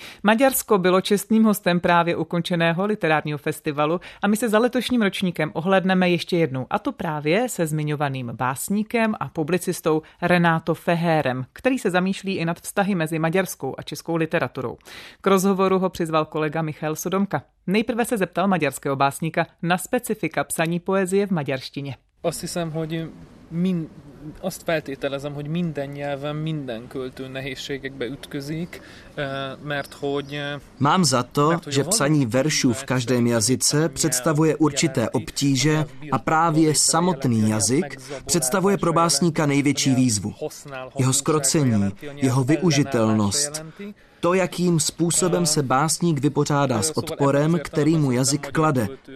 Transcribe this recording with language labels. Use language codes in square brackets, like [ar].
[cs] Maďarsko bylo čestným hostem právě ukončeného literárního festivalu a my se za letošním ročníkem ohlédneme ještě jednou, a to právě se zmiňovaným básníkem a publicistou Renato Feherem, který se zamýšlí i nad vztahy mezi maďarskou a českou literaturou. K rozhovoru ho přizval kolega Michal Sodomka. Nejprve se zeptal maďarského básníka na specifika psaní poezie v maďarštině. Asi jsem hodím [hu] azt feltételezem, hogy minden nyelven minden költő nehézségekbe ütközik, mert hogy... [cs] Mám za to, že psaní veršů v každém jazyce představuje určité obtíže a právě samotný jazyk představuje pro básníka největší výzvu. Jeho zkrocení, jeho využitelnost, to, jakým způsobem se básník vypořádá s odporem, který mu jazyk klade.